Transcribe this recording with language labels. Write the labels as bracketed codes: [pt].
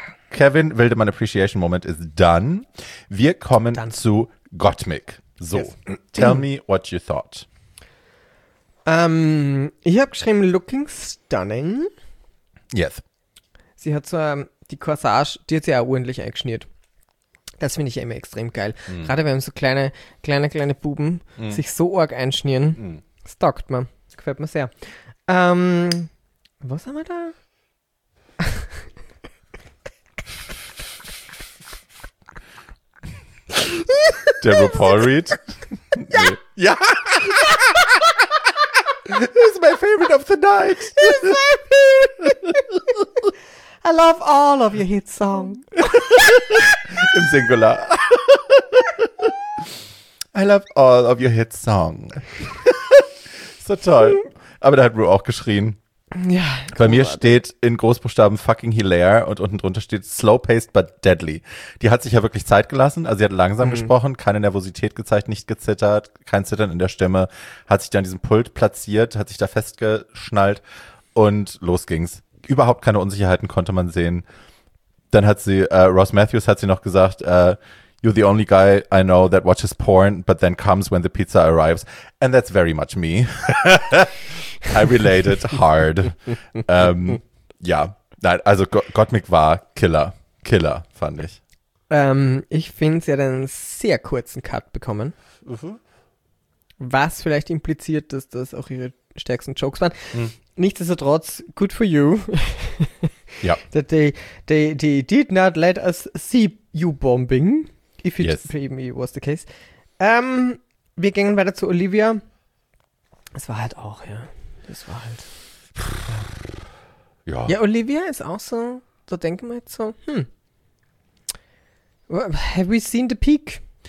[en] Kevin Wildermann Appreciation Moment is done. [de] Wir kommen dann zu Gottmik. [en] So, yes. Tell me what you thought. [de] Ich habe geschrieben, [en] looking stunning. Yes. [de] Sie hat so die Corsage, die hat sie auch ordentlich eingeschnürt. Das finde ich ja immer extrem geil. Mm. Gerade wenn so kleine Buben sich so arg einschnieren, das taugt man. Gefällt mir sehr. Was haben wir da? Der RuPaul Read? Ja! Nee. Ja! [en] It's my favorite of the night. It's my favorite. I love all of your hit songs. [de] Im Singular. [en] I love all of your hit songs. [de] So toll. Aber da hat Ru auch geschrien. Ja. Bei mir steht in Großbuchstaben [en] fucking hilaire [de] und unten drunter steht [en] slow paced but deadly. [de] Die hat sich ja wirklich Zeit gelassen, also sie hat langsam gesprochen, keine Nervosität gezeigt, nicht gezittert, kein Zittern in der Stimme, hat sich dann diesen Pult platziert, hat sich da festgeschnallt und los ging's. Überhaupt keine Unsicherheiten konnte man sehen. Dann hat sie, Ross Matthews hat sie noch gesagt, [en] you're the only guy I know that watches porn but then comes when the pizza arrives and that's very much me. I related hard. [de] ja, nein, also Gottmik war Killer, fand ich. Ich finde, sie hat einen sehr kurzen Cut bekommen. Was vielleicht impliziert, dass das auch ihre stärksten Jokes waren. Nichtsdestotrotz, [en] good for you. [de] Ja. [en] That they did not let us see you bombing. If it maybe was the case. [de] Wir gehen weiter zu Olivia. Es war halt auch, ja. Das war halt. Ja. Ja, Olivia ist auch so, da denken wir jetzt so, [en] have we seen the peak?